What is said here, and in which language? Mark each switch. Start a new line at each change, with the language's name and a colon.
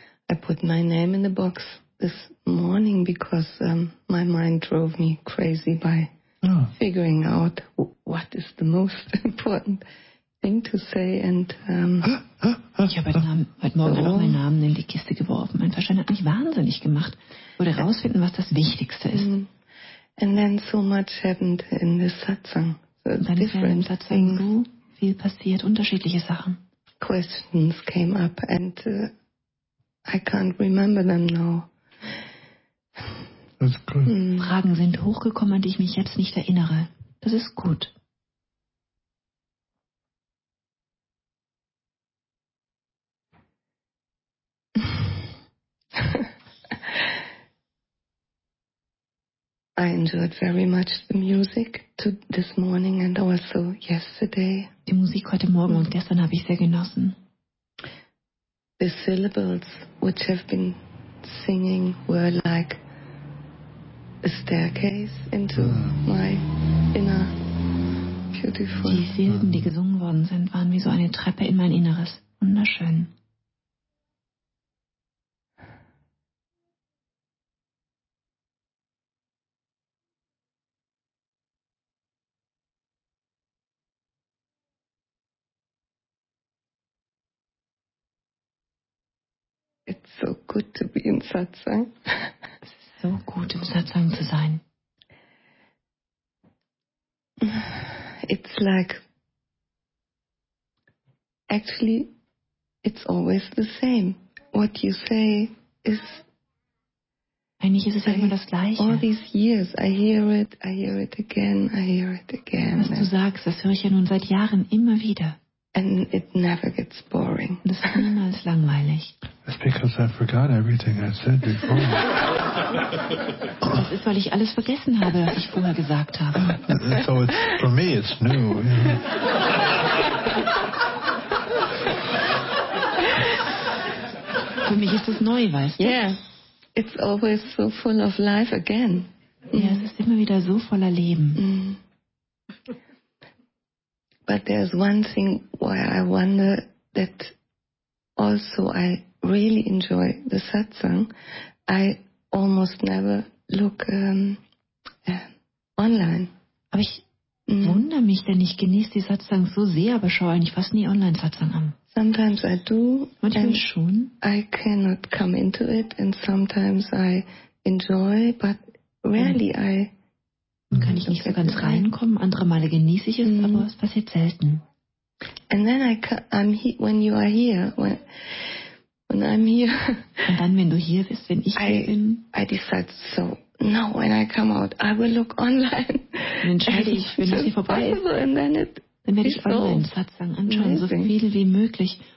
English: I put my name in the box this morning because my mind drove me crazy by figuring out what is the most important thing to say. And
German: ich habe heute Morgen auch meinen Namen in die Kiste geworfen. Mein Verstand hat mich wahnsinnig gemacht. Wollte herausfinden, was das Wichtigste ist.
English: And then so much happened in the satsang.
German: Dann ist ja im Satsang so viel passiert, unterschiedliche Sachen.
English: Questions came up and I can't remember them now. That's good.
German: Fragen sind hochgekommen, die ich mich jetzt nicht erinnere. Das ist gut.
English: I enjoyed very much the music to this morning and also yesterday.
German: Die Musik heute Morgen und gestern habe ich sehr genossen.
English: The syllables which have been singing were like a staircase into my inner beautiful.
German: Die Silben, die gesungen worden sind, waren wie so eine Treppe in mein Inneres. Wunderschön.
English: It's so good to be in Satsang.
German: So gut im Satsang zu sein.
English: It's like, actually, it's always the same. What you say is.
German: Eigentlich ist es immer das Gleiche.
English: All these years, I hear it again.
German: Was du sagst, das höre ich ja nun seit Jahren immer wieder.
English: And it never gets boring.
German: Das ist niemals langweilig.
English: It's because I forgot everything I said before.
German: Das ist, weil ich alles vergessen habe, was ich vorher gesagt habe.
English: So it's, for me, it's new.
German: Für mich ist es neu, weißt du?
English: Yeah. It's always so full of life again.
German: Ja, es ist immer wieder so voller Leben.
English: But there's one thing where I wonder that also I really enjoy the satsang. I almost never look online.
German: Aber ich wundere mich, denn ich genieße die Satsangs so sehr, aber schaue eigentlich fast nie online Satsang an.
English: Sometimes I do.
German: Manchmal schon.
English: I cannot come into it and sometimes I enjoy, but rarely I.
German: Kann ich nicht so ganz reinkommen. Andere Male genieße ich es, aber es passiert selten.
English: And then when you are here, when I'm here.
German: Und dann, wenn du hier bist, wenn ich hier bin.
English: I decide so, no, when I come out, I will look online.
German: Dann entscheide ich, wenn ich hier vorbei ist.
English: And then
German: dann werde ich online Satsang anschauen, so viel wie möglich.